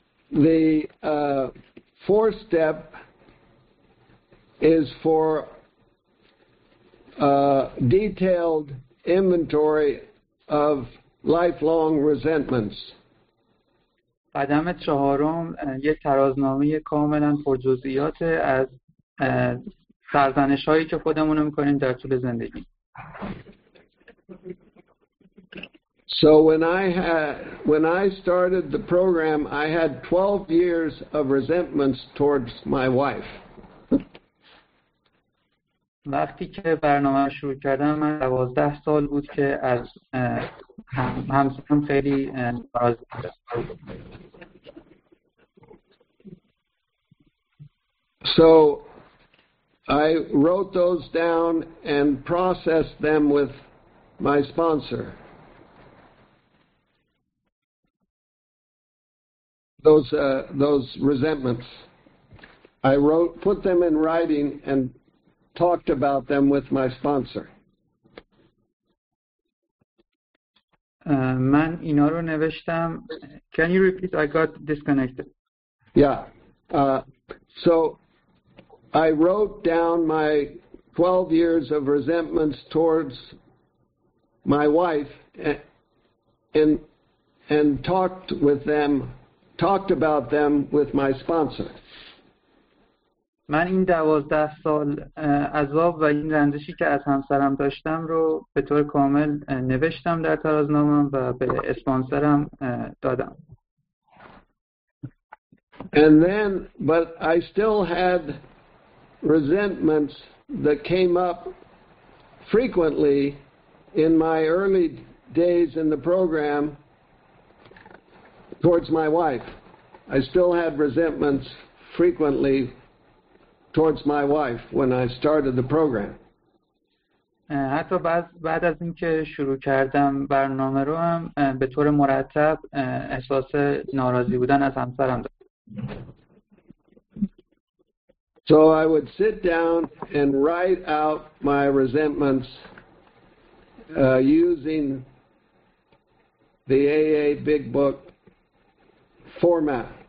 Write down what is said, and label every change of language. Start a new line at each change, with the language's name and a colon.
English: The fourth step is for detailed inventory of lifelong resentments.
Persian: قدم چهارم یک ترازنامه کاملا پر جزئیات از سرزنش هایی که خودمون رو میکنیم در طول زندگی.
English: So when I started the program, I had 12 years of resentments towards my wife.
Persian: وقتی که برنامه شروع کردم من 12 سال بود که از همسرم خیلی ناراضی بودم.
English: So I wrote those down and processed them with my sponsor. Those resentments, I wrote, put them in writing and talked about them with my sponsor.
Persian: Man, ina ro neveshtam.
English: Can you repeat? I got disconnected. Yeah. So I wrote down my 12 years of resentments towards my wife and talked with them. Talked about them with my sponsor.
Persian: من این 12 سال عذاب و این رنجشی که از همسرم داشتم رو به طور کامل نوشتم در ترازنامه‌ام و به اسپانسرم دادم.
English: And then, but I still had resentments that came up frequently in my early days in the program towards my wife. I still had resentments frequently towards my wife when I started the program.
Persian: حتی بعد از اینکه شروع کردم برنامه رو هم به طور مرتب احساس ناراضی بودن از همسرم داشتم.
English: So I would sit down and write out my resentments using the AA Big Book format.